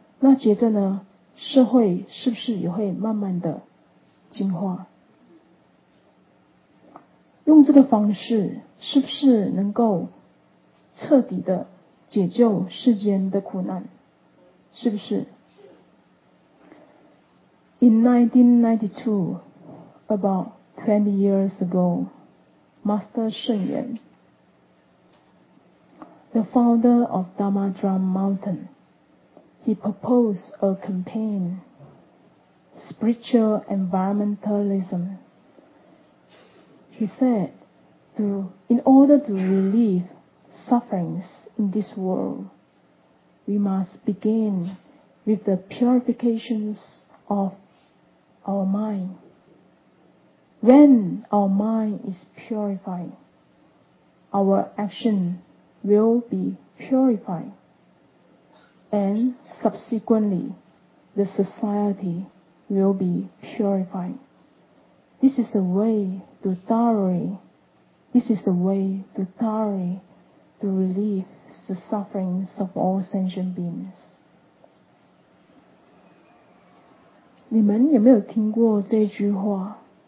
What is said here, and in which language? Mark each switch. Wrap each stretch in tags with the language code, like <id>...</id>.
<zh>那接着呢，社会是不是也会慢慢的进化？用这个方式是不是能够彻底的解救世间的苦难？是不是？</zh> <en>In 1992, about 20 years ago, Master 圣严, the founder of Dharma Drum Mountain, he proposed a campaign, Spiritual Environmentalism. He said, in order to relieve sufferings in this world, we must begin with the purifications of our mind. When our mind is purified, our action will be purified, and subsequently, the society will be purified. This is the way to thoroughly, this is the way to thoroughly to relieve the sufferings of all sentient beings.</en> <zh>你们有没有听过这句话？</zh>